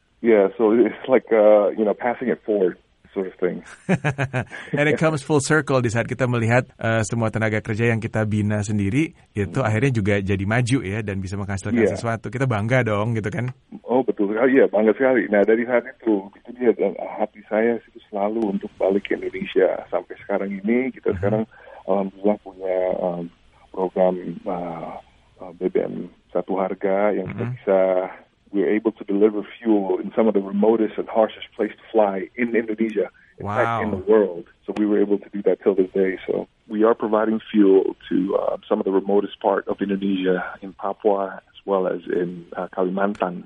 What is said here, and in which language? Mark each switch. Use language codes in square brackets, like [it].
[en] Yeah, so it's like you know, passing it forward. Sort of and it comes full circle [id] di saat kita melihat semua tenaga kerja yang kita bina sendiri itu akhirnya juga jadi maju, ya, dan bisa menghasilkan sesuatu. Kita bangga dong, gitu kan? Oh, betul sekali. Iya, bangga sekali. Nah, dari saat itu dia, dan hati saya itu selalu untuk balik ke Indonesia. Sampai sekarang ini kita sekarang alhamdulillah punya program BBM satu harga yang kita bisa. [en] We're able to deliver fuel in some of the remotest and harshest place to fly in Indonesia, in fact, in the world. So we were able to do that till this day. So we are providing fuel to some of the remotest part of Indonesia, in Papua, as well as in Kalimantan.